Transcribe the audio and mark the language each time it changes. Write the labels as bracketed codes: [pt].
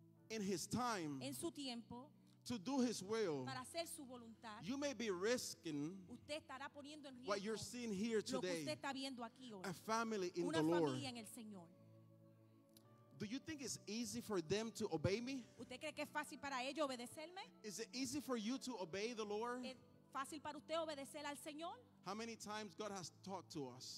[en] in his time [es] en su tiempo, [en] to do his will [es] para hacer su voluntad, [en] you may be risking [es] usted estará poniendo en riesgo [en] what you're seeing here today [es] lo que usted está viendo aquí hoy, [en] a family in [es] una [en] the [es] familia [en] Lord [es] en el Señor. [en] Do you think it's easy for them to obey me? [es] ¿Usted cree que es fácil para ellos obedecerme? [en] Is it easy for you to obey the Lord? [es] ¿Es fácil para usted obedecer al Señor? [en] How many times God has talked to us?